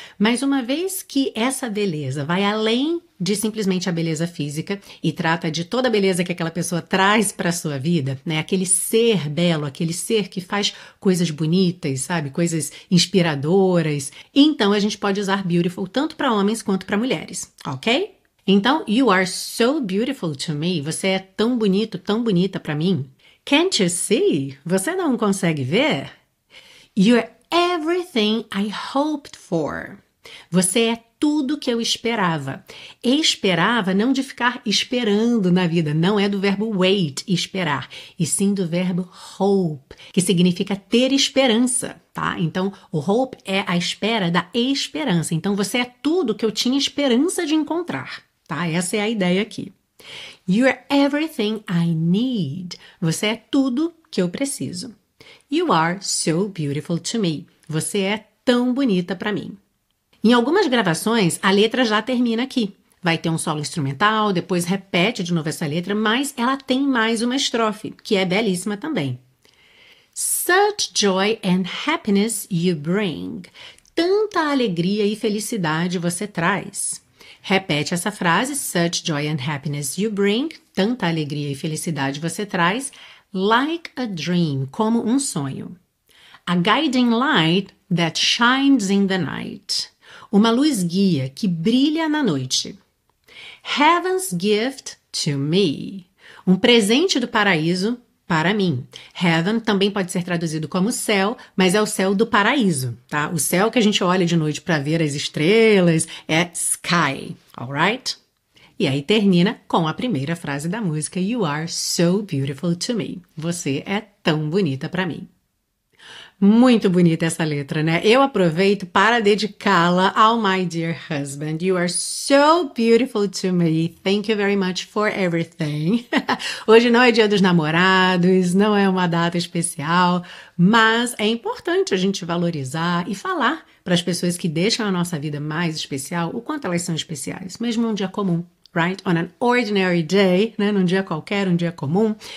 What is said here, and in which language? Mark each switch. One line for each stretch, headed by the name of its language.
Portuguese: Mas uma vez que essa beleza vai além de simplesmente a beleza física e trata de toda a beleza que aquela pessoa traz para a sua vida, né? Aquele ser belo, aquele ser que faz coisas bonitas, sabe? Coisas inspiradoras. Então, a gente pode usar beautiful tanto para homens quanto para mulheres, ok?
English: Então, you are so beautiful to me.
Portuguese: Você é tão bonito, tão bonita para mim.
English: Can't you see?
Portuguese: Você não consegue ver?
English: You're everything I hoped for.
Portuguese: Você é tudo que eu esperava. Esperava não de ficar esperando na vida, não é do verbo wait, esperar, e sim do verbo hope, que significa ter esperança, tá? Então, o hope é a espera da esperança. Então, você é tudo que eu tinha esperança de encontrar, tá? Essa é a ideia aqui.
English: You are everything I need.
Portuguese: Você é tudo que eu preciso.
English: You are so beautiful to me.
Portuguese: Você é tão bonita para mim. Em algumas gravações, a letra já termina aqui. Vai ter um solo instrumental, depois repete de novo essa letra, mas ela tem mais uma estrofe, que é belíssima também.
English: Such joy and happiness you bring.
Portuguese: Tanta alegria e felicidade você traz. Repete essa frase,
English: such joy and happiness you bring.
Portuguese: Tanta alegria e felicidade você traz.
English: Like a dream,
Portuguese: como um sonho.
English: A guiding light that shines in the night.
Portuguese: Uma luz guia que brilha na noite.
English: Heaven's gift to me.
Portuguese: Um presente do paraíso para mim. Heaven também pode ser traduzido como céu, mas é o céu do paraíso, tá? O céu que a gente olha de noite para ver as estrelas é sky, alright? E aí termina com a primeira frase da música,
English: You are so beautiful to me.
Portuguese: Você é tão bonita para mim. Muito bonita essa letra, né? Eu aproveito para dedicá-la ao
English: my dear husband. You are so beautiful to me. Thank you very much for everything.
Portuguese: Hoje não é dia dos namorados, não é uma data especial, mas é importante a gente valorizar e falar para as pessoas que deixam a nossa vida mais especial o quanto elas são especiais, mesmo num dia comum. Right?
English: On an ordinary day,
Portuguese: né? Num dia qualquer, um dia comum.